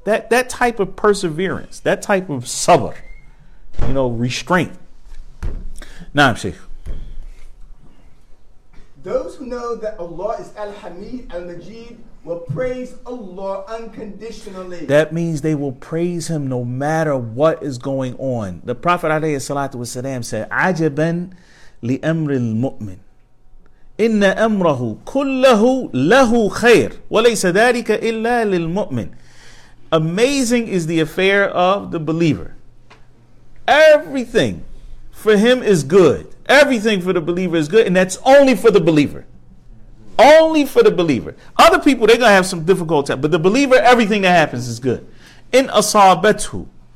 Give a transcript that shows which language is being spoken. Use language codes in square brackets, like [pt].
[en] That type of perseverance, that type of sabr, you know, restraint. Naam, Sheikh. Those who know that Allah is Al-Hamid, Al-Majid, will praise Allah unconditionally. That means they will praise Him no matter what is going on. The Prophet alayhi salatu wasalam said, [ar] عَجَبًا لِأَمْرِ الْمُؤْمِنِ إِنَّ أَمْرَهُ كُلَّهُ لَهُ خَيْرٌ وَلَيْسَ ذَٰلِكَ إِلَّا لِلْمُؤْمِنِ. [en] Amazing is the affair of the believer. Everything for him is good. Everything for the believer is good, and that's only for the believer. Only for the believer. Other people, they're going to have some difficult time, but the believer, everything that happens is good. [ar] إِنْ أَصَابَتْهُ